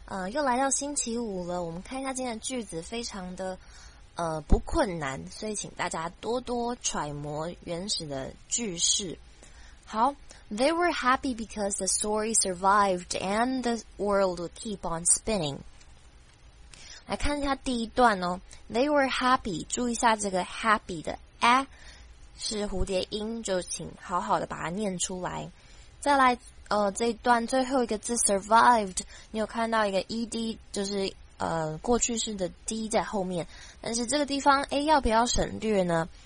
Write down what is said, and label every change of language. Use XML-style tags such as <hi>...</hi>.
<zh>又来到星期五了，我们看一下今天的句子，非常的不困难，所以请大家多多揣摩原始的句式。好，</zh> <en>They were happy because the story survived and the world would keep on spinning.</en> <zh>来看一下第一段哦，</zh> <en>They were happy，</en> <zh>注意一下这个 happy 的 a 是蝴蝶音，就请好好的把它念出来。再来这一段最后一个字 survived， 你有看到一个 ed， 就是过去式的 d 在后面，但是这个地方要不要省略呢？</zh>